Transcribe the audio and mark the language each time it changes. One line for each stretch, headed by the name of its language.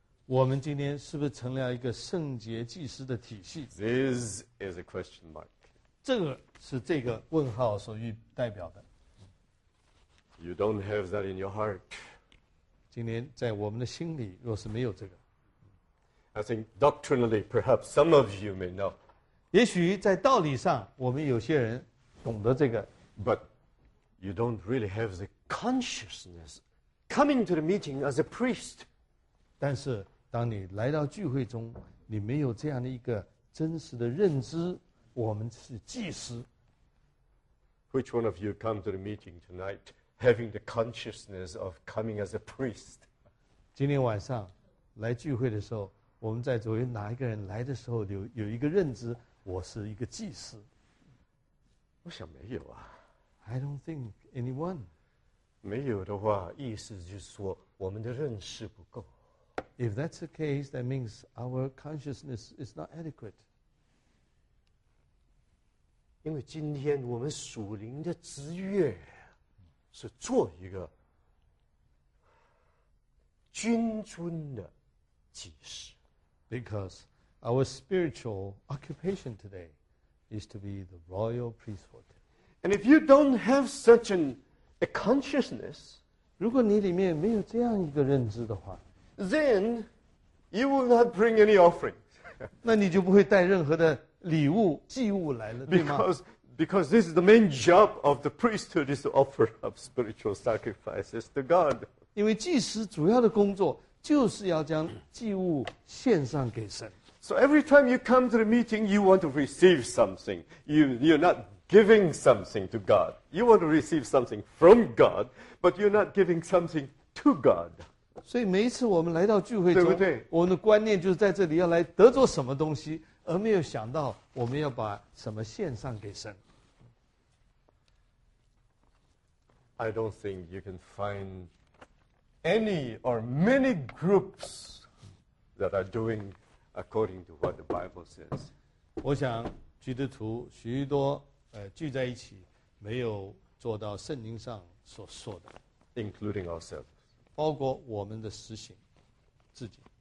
Chinese: 我们今天是不是成了一个圣洁祭司的体系
English: ？This is a question mark.
Chinese: 这个是这个问号所代表的。
English: You don't have that in your heart.
Chinese: 今天在我们的心里，若是没有这个
English: ，I think doctrinally, perhaps some of you may know.
Chinese: 也许在道理上，我们有些人懂得这个
English: ，But you don't really have the consciousness coming to the meeting as a priest.
Chinese: 但是当你来到聚会中，你没有这样的一个真实的认知，我们是祭司。
English: Which one of you come to the meeting tonight having the consciousness of coming as a priest?
Chinese: 今天晚上来聚会的时候，我们在座有哪一个人来的时候有一个认知？我是一个祭司。我想没有啊。
English: I don't think anyone.
Chinese: 没有的话，意思就是说我们的认识不够。
English: If that's the case, that means our consciousness is not adequate.
Chinese: 因为今天我们属灵的职业是做一个君尊的祭司。
English: Because our spiritual occupation today is to be the royal priesthood. And if you don't have such a consciousness,
Chinese: 如果你里面没有这样一个认知的话
English: then you will not bring any offering.
Chinese: 那你就不会带任何的礼物、祭物来了，对吗？
English: Because this is the main job of the priesthood is to offer up spiritual sacrifices to God.
Chinese: 因为祭司主要的工作就是要将祭物献上给神。
English: So every time you come to the meeting, you want to receive something. You're not giving something to God. You want to receive something from God, but you're not giving something to God.
Chinese: 所以每一次我们来到聚会中，对不对？我们的观念就是在这里要来得着什么东西，而没有想到我们要把什么献上给神。
English: I don't think you can find any or many groups that are doing according to what the Bible says.
Chinese: 我想基督徒许多聚在一起没有做到圣经上所说的
English: including ourselves
Chinese: 包括我们的实行自己